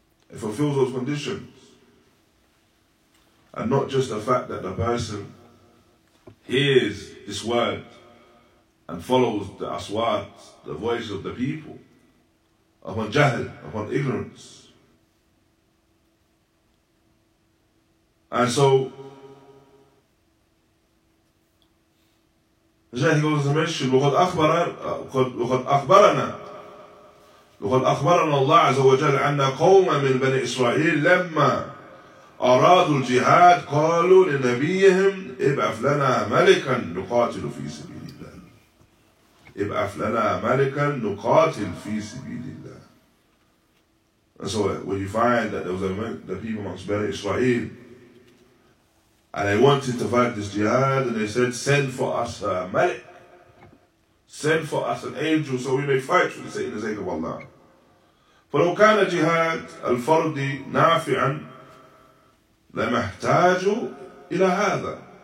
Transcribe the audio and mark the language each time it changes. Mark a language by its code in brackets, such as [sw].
[en] It fulfills those conditions. And not just the fact that the person hears this word and follows the aswat, the voice of the people, upon jahl, upon ignorance. And so, he goes to mention, [ar] وَقَدْ أَخْبَرَنَا اللَّهُ عَزَّ وَجَلَّ أَنَّ قَوْمًا مِنْ بَنِي إِسْرَائِيلَ لَمَّا أرادوا الجهاد قالوا لنبيهم ابعث لنا ملكا نقاتل في سبيل الله ابعث لنا ملكا نقاتل في سبيل الله. [en] And so when you find that there was the people amongst Bani Israel And they wanted to fight this jihad, and they said, send for us a malik. Send for us an angel so we may fight for the sake of Allah. [ar] فَلَوْ كَانَ جِهَادَ الْفَرْدِ نَافِعًا لَمَحْتَاجُ إِلَى هَذَا.